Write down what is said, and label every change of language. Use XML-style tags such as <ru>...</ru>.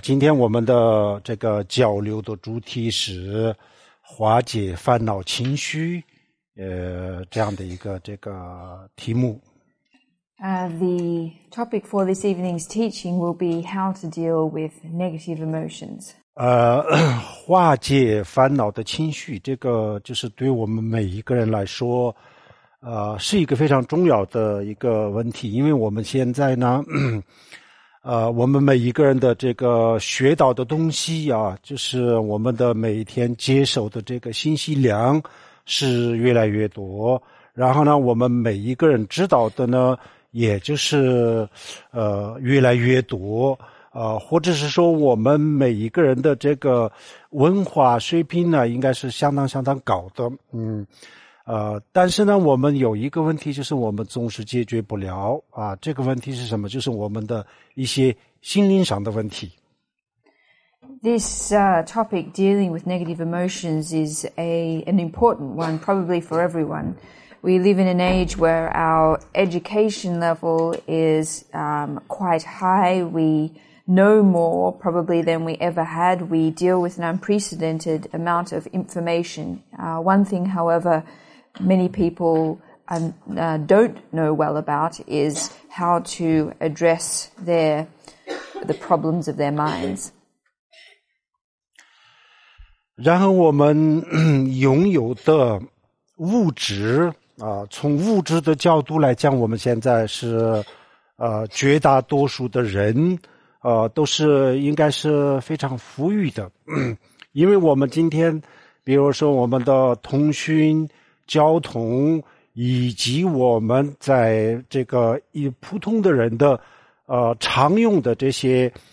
<zh>今天我们的这个交流的主题是化解烦恼情绪，这样的一个这个题目。</zh> <en>The topic for this evening's teaching will be how to deal with negative emotions.</en> <zh>化解烦恼的情绪，这个就是对我们每一个人来说，是一个非常重要的一个问题，因为我们现在呢，我们每一个人的这个学到的东西啊，就是我们的每天接受的这个信息量是越来越多，然后呢，我们每一个人知道的呢，也就是越来越多，或者是说我们每一个人的这个文化水平呢，应该是相当相当高的，但是呢，我们有一个问题，就是我们总是解决不了啊。这个问题是什么？就是我们的一些心灵上的问题。</zh> <en>This topic dealing with negative emotions is an important one, probably for everyone. We live in an age where our education level is quite high. We know more probably than we ever had. We deal with an unprecedented amount of information. One thing, however, many people don't know well about is how to address the problems of their minds.</en> <zh>然后我们拥有的物质啊，从物质的角度来讲，我们现在是绝大多数的人都是应该是非常富裕的，因为我们今天比如说我们的通讯交通以及我们在这个以普通的人的常用的这些</zh>